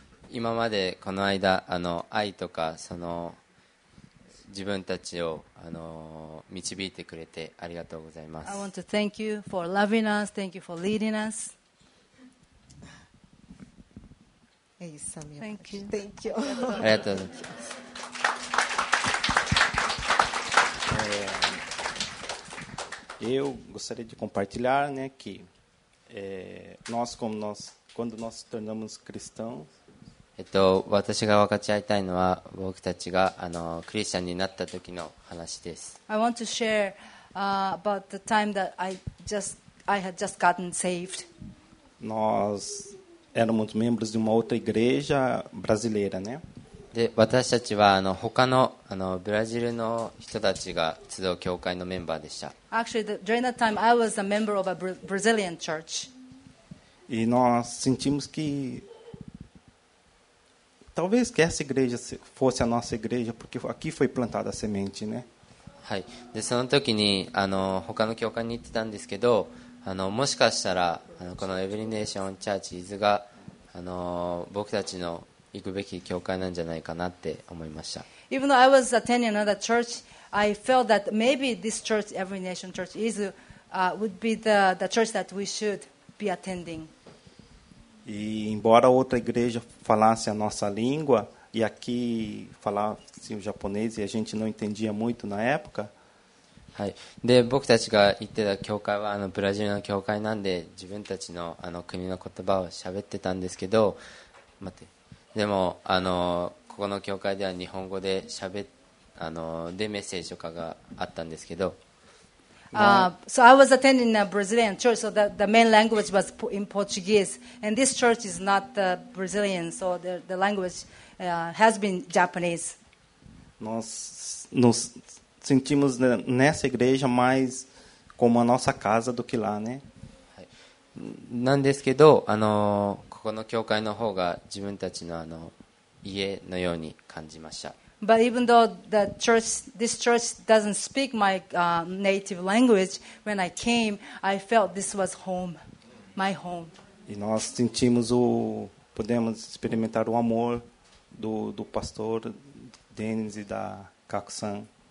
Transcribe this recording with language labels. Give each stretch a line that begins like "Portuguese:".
Japanese: 今までこの間、愛とか、自分たちを、導いてくれてありがとうございます。
English: I want to thank you for loving us, thank you for leading us.
Portuguese: É isso, amigo.
English: Thank you.
Japanese: ありがとうございます。
Portuguese: Eu gostaria de compartilhar, né, que nós, como nós, quando nós nos tornamos cristãos,
Japanese: 私が分かち合いたいのは、僕たちがクリスチャンになった時の話です。
English: I want to share about the time that I had just gotten saved.
Portuguese: Nós éramos membros de uma outra igreja brasileira, né?
Japanese: で私たちは他のブラジルの人たちが集う教会のメンバーでした。
English: Actually, during that time, I was a member of a Brazilian church.
Portuguese: E nós sentimos que talvez que essa igreja fosse a nossa igreja, porque aqui foi plantada a semente, né?
Japanese: はい。でその時に他の教会に行ってたんですけど、もしかしたらこのエブリネーションチャーチーズが僕たちの行くべき教会なんじゃないかなって思いました。
English: Even though I was attending another church, I felt that maybe this church, Every Nation Church, would be the church that we should be attending.
Portuguese: E embora outra igreja falasse a nossa língua, e aqui falasse o japonês, e a gente não entendia muito na época.
Japanese: で、僕たちが行ってた教会はブラジルの教会なんで、自分たちの国の言葉を喋ってたんですけど、待って。でも、ここの教会では日本語で喋っ、でメッセージとかがあったんですけど、
English: So I was attending a Brazilian church, so the main language was in Portuguese. And this church is not Brazilian, so the language has been Japanese.
Portuguese: Nós nos sentimos nessa igreja mais como a nossa casa do que lá, né?
Japanese: なんですけど、ここの教会の方が自分たちの家のように感じました。
English: But even though the church, this church doesn't speak my native language, when I came, I felt this was home, my home.
Portuguese: E nós sentimos o, podemos experimentar o amor do pastor Denis e da Kaku-san.